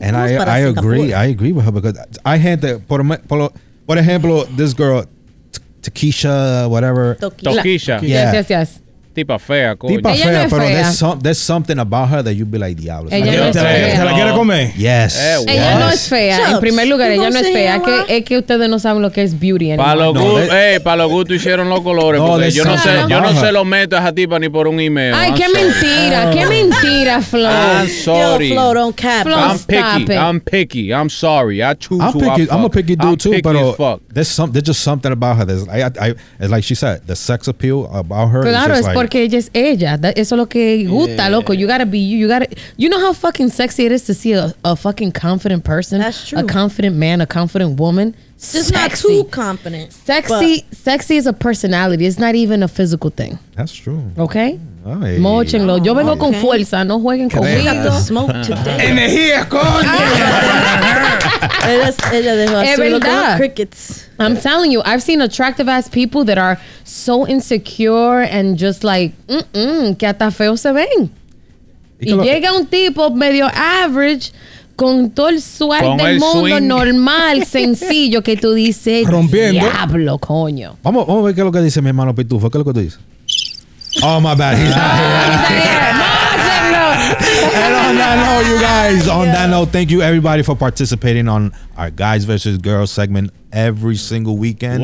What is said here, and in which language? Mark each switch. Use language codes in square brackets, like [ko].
[en] And I agree. I agree with her, because I had [es] por ejemplo, [en] this girl, Takesha, whatever. Takesha. Yes. [es] tipa fea, coño. Tipa ella fea, no pero fea. [en] There's something about her that you'd be like, diablo. [es] ¿Te la quiere comer? [en] Yes. [es] Ella no es fea. En primer lugar, ella no es fea. Es que ustedes no saben lo que es beauty. Para los gustos hicieron los colores. Yo no se lo meto a esa tipa ni por un email. Ay, qué mentira. Qué mentira, Flo. [en] I'm sorry. Yo, Flo, don't cap. Flo, I'm picky. I'm sorry. I choose I'm who picky. I fuck. I'm a picky dude, too. But there's just something about her. It's like she said, the sex appeal about her. [es] Claro, [en] it's [es] porque ella es ella. Eso es lo que gusta, loco. [en] You gotta be you. You know how fucking sexy it is to see a fucking confident person? That's true. A confident man, a confident woman. Just not too confident. Sexy is a personality. It's not even a physical thing. That's true. [es] Okay? Ay. Móchenlo. Yo vengo con fuerza. No jueguen conmigo. [en] Smoke today. [es] Energía, coño. Ella dejó así. Es verdad. Crickets. [en] I'm telling you, I've seen attractive ass people that are so insecure and just like, [es] que hasta feo se ven. Y llega un tipo medio average con todo el suerte del mundo swing. Normal, sencillo, que tú dices, rompiendo. Diablo, coño. Vamos a ver qué es lo que dice mi hermano Pitufo. ¿Qué es lo que tú dices? [en] Oh, my bad. And on that note, you guys, that note, thank you everybody for participating on our Guys versus Girls segment every single weekend.